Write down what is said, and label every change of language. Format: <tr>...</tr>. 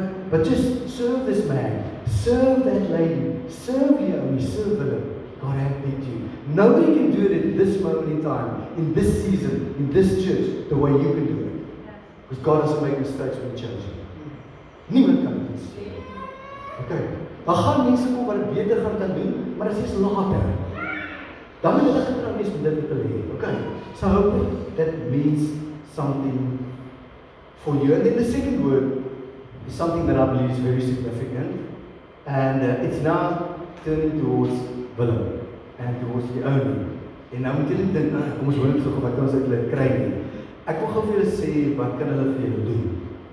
<en>But just serve this man, serve that lady, serve your own, serve her. God help me to. Nobody can do it in this moment in time, in this season, in this church, the way you can do it. Because God doesn't make mistakes when he changes.</en> <af>Niemand kan dit sê. Okay. Daar gaan mense kom wat beter gaan kan doen, maar as jy's later, dan moet jy getrou wees met dit wat jy het.</af> <en>Okay, so I hope that means something for you. And then the second word is something that I believe is very significant. And it's now turning towards Willem and towards the owner.</en> <af>En nou moet jy dit dink, kom ons hoor net gou wat ons uit hulle kry nie. Ek wil gou vir julle sê wat kan hulle vir julle doen.</af>